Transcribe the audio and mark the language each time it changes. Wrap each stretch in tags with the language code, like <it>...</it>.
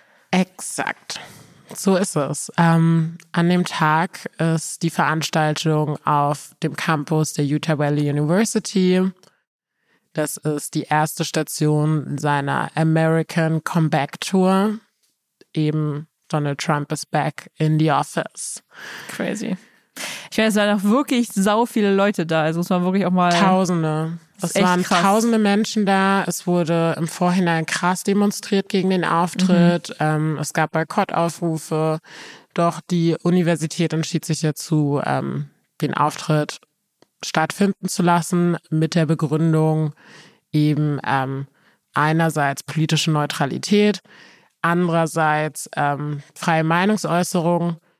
<de>Exakt, so ist es. An dem Tag ist die Veranstaltung auf dem Campus der Utah Valley University. Das ist die erste Station seiner American Comeback Tour.</de> <en>Eben Donald Trump is back in the office. Crazy.</en> <de>Ich weiß, es waren auch wirklich sau viele Leute da. Also es waren wirklich auch mal Tausende. Es waren krass. Tausende Menschen da. Es wurde im Vorhinein krass demonstriert gegen den Auftritt. Mhm. Es gab Boykottaufrufe. Doch die Universität entschied sich dazu, den Auftritt stattfinden zu lassen, mit der Begründung eben einerseits politische Neutralität, andererseits freie Meinungsäußerung.</de>